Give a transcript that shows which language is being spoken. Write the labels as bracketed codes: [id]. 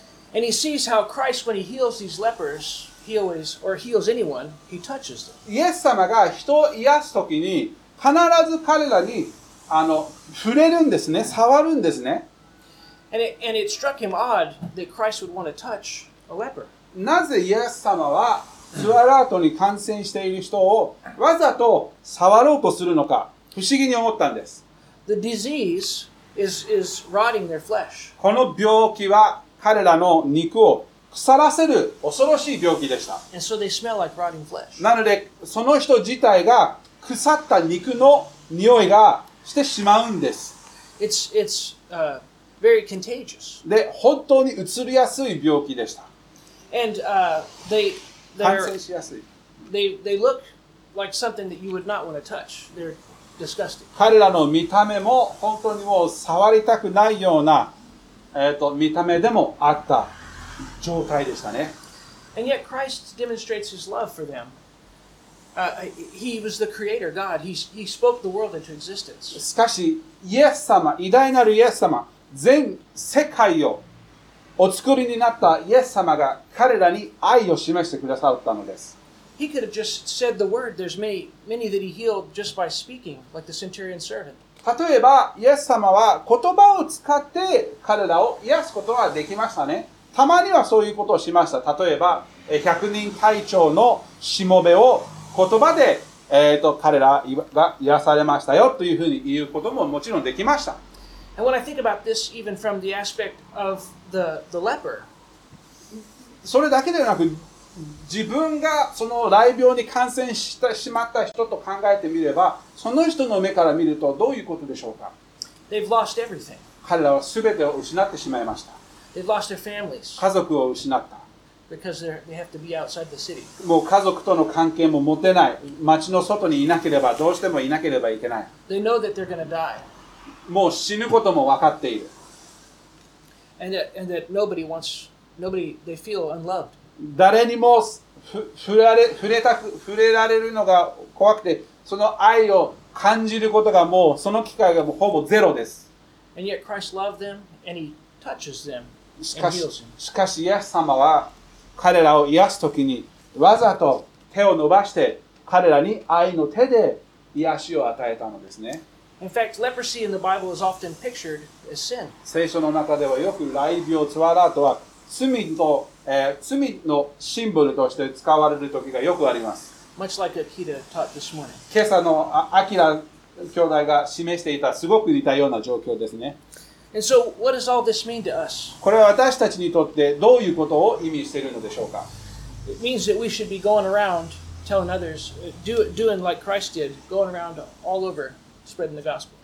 [en] And he sees how Christ, when he heals these lepers, heals anyone, he touches them. [ja] イエス様が人を癒すときに必ず彼らに触れるんですね、触るんですね。 [en] And it struck him odd that Christ would want to touch a leper. [ja] なぜイエス様はズアラートに感染している人をわざと触ろうとするのか不思議に思ったんです。 [en] The disease is rotting their flesh. [ja] この病気は彼らの肉を腐らせる恐ろしい病気でした。 [en] And so they smell like rotting flesh. [ja] なので、その人自体が腐った肉の匂いがしてしまうんです。 [en] It's very contagious. [ja] で、本当にうつりやすい病気でした。 [en] And, they look like something that you would not want to touch. They're disgusting. [ja] 彼らの見た目も本当にもう触りたくないような見た目でもあった状態でしたね。 [en] And yet Christ demonstrates his love for them. He was the creator, God. He spoke the world into existence. [ja] しかし、イエス様、偉大なるイエス様、全世界をお作りになったイエス様が彼らに愛を示してくださったのです。 [en] He could have just said the word. There's many that he healed just by speaking, like the centurion servant. [ja] 例えば、イエス様は言葉を使って彼らを癒すことができましたね。たまにはそういうことをしました。例えば、百人隊長のしもべを言葉で、彼らが癒されましたよというふうに言うことももちろんできました。 [en] And when I think about this, even from the aspect of the leper, [ja] それだけではなく、自分がその雷病に感染してしまった人と考えてみれば、その人の目から見るとどういうことでしょうか。 [en] They've lost everything. [ja] 彼らは全てを失ってしまいました。 [en] They've lost their families. [ja] 家族を失った。 [en] Because they have to be outside the city. [ja] もう家族との関係も持てない。町の外にいなければ、どうしてもいなければいけない。 [en] They know that they're gonna die. [ja] もう死ぬことも分かっている。 [en] And that nobody, they feel unloved. [ja] 誰にも触れられるのが怖くて、その愛を感じることがもうその機会がもうほぼゼロです。 [en] And yet Christ loved them and he touches them and heals them. [ja] しかし、イエス様は彼らを癒すときにわざと手を伸ばして彼らに愛の手で癒しを与えたのですね。 [en] In fact, leprosy in the Bible is often pictured as sin. [ja] 聖書の中ではよく雷病、ツワラートは罪と罪のシンボルとして使われる時がよくあります。 [en] Much like Akita taught this morning. [ja] 今朝のアキラ兄弟が示していたすごく似たような状況ですね。 [en] And so, what does all this mean to us? [ja] これは私たちにとってどういうことを意味しているのでしょうか。 [en] It means that we should be going around telling others, doing like Christ did, going around all over spreading the gospel.